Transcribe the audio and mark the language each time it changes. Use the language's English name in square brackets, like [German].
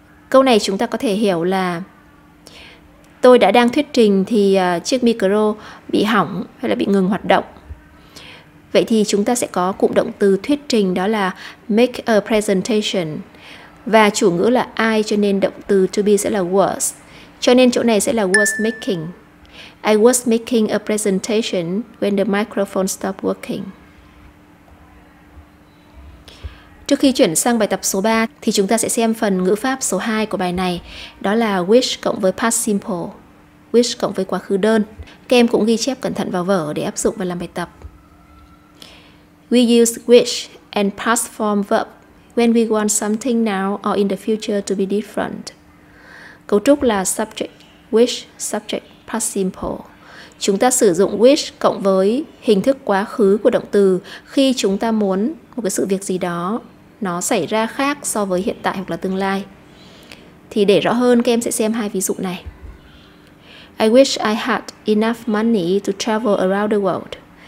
[Vietnamese] Câu này chúng ta có thể hiểu là tôi đã đang thuyết trình thì chiếc micro bị hỏng hay là bị ngừng hoạt động. Vậy thì chúng ta sẽ có cụm động từ thuyết trình đó là [English] make a presentation. [Vietnamese] Và chủ ngữ là I, cho nên động từ to be sẽ là was. Cho nên chỗ này sẽ là [English] was making. I was making a presentation when the microphone stopped working. [Vietnamese] Trước khi chuyển sang bài tập số 3 thì chúng ta sẽ xem phần ngữ pháp số 2 của bài này, đó là wish cộng với past simple, wish cộng với quá khứ đơn. Các em cũng ghi chép cẩn thận vào vở để áp dụng và làm bài tập. [English] We use wish and past form verb when we want something now or in the future to be different. [Vietnamese] Cấu trúc là [English] subject, wish, subject, past simple. [Vietnamese] Chúng ta sử dụng wish cộng với hình thức quá khứ của động từ khi chúng ta muốn một cái sự việc gì đó nó xảy ra khác so với hiện tại hoặc là tương lai. Thì để rõ hơn, các em sẽ xem hai ví dụ này. [English] I wish I had enough money to travel around the world.